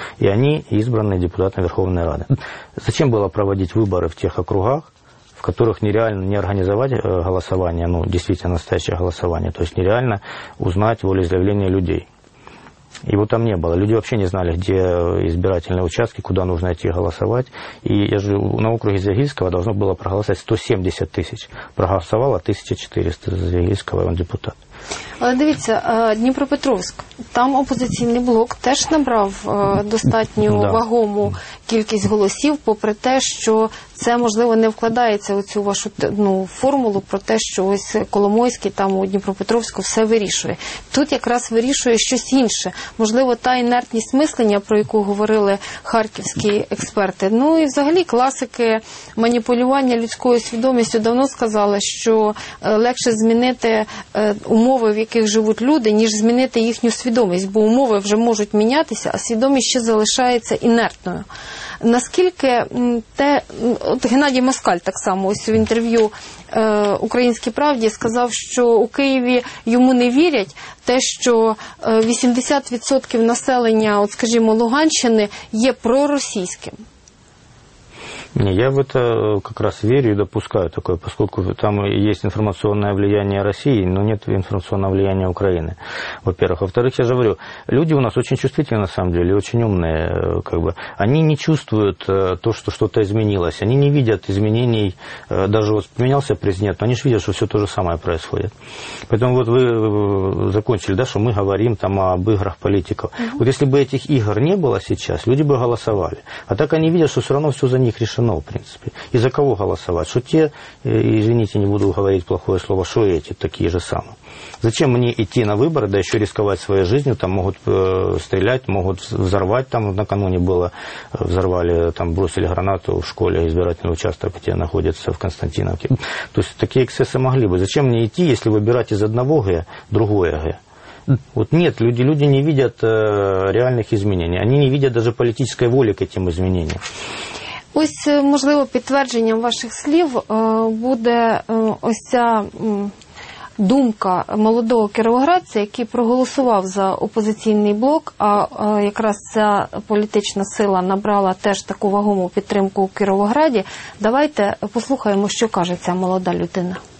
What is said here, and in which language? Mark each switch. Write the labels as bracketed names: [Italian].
[Russian] И они избраны депутатами Верховной Рады. Зачем было проводить выборы в тех округах, в которых нереально не организовать голосование, ну, действительно настоящее голосование, то есть нереально узнать волеизъявление людей? Его там не было. Люди вообще не знали, где избирательные участки, куда нужно идти голосовать. И я же на округе Звягильского должно было проголосовать 170 тысяч. Проголосовало 1400 Звягильского, он депутат. [Ukrainian] Але дивіться, Дніпропетровськ, там опозиційний блок теж набрав достатньо вагому кількість голосів, попри те, що це, можливо, не вкладається у цю вашу формулу про те, що ось Коломойський там у Дніпропетровську все вирішує. Тут якраз вирішує щось інше. Можливо, та інертність мислення, про яку говорили харківські експерти. Ну і взагалі класики маніпулювання людською свідомістю давно сказали, що легше змінити умови, в яких живуть люди, ніж змінити їхню свідомість, бо умови вже можуть мінятися, а свідомість ще залишається інертною. Наскільки те, от Геннадій Москаль так само ось в інтерв'ю «Українській правді» сказав, що у Києві йому не вірять те, що 80% населення, от скажімо, Луганщини є проросійським. [Russian] Не, я в это как раз верю и допускаю такое, поскольку там есть информационное влияние России, но нет информационного влияния Украины, во-первых. Во-вторых, я же говорю, люди у нас очень чувствительные на самом деле, очень умные, как бы. Они не чувствуют то, что что-то изменилось, они не видят изменений, даже вот поменялся президент, но они же видят, что все то же самое происходит. Поэтому вот вы закончили, да, что мы говорим там об играх политиков. Mm-hmm. Вот если бы этих игр не было сейчас, люди бы голосовали. А так они видят, что все равно все за них решено. Но, в принципе. И за кого голосовать? Что те, извините, не буду говорить плохое слово, что эти такие же самые? Зачем мне идти на выборы, да еще рисковать своей жизнью, там могут стрелять, могут взорвать, там накануне было, взорвали, там бросили гранату в школе, избирательный участок, где находится в Константиновке. То есть такие эксцессы могли бы. Зачем мне идти, если выбирать из одного ГЭ другое ГЭ? Вот нет, люди не видят реальных изменений, они не видят даже политической воли к этим изменениям. [Ukrainian] Ось, можливо, підтвердженням ваших слів буде ось ця думка молодого кіровоградця, який проголосував за опозиційний блок, а якраз ця політична сила набрала теж таку вагому підтримку у Кіровограді. Давайте послухаємо, що каже ця молода людина.